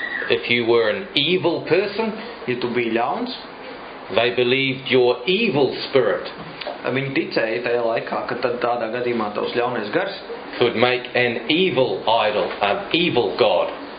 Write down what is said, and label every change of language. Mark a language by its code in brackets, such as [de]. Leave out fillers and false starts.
[en] If you were an evil person, [lv] ja tu biji ļauns, [en] they believed your evil spirit. [lv] Viņi ticēja tajā laikā, ka tad tādā gadījumā tavs ļaunais gars [en] could make an evil idol, an evil god.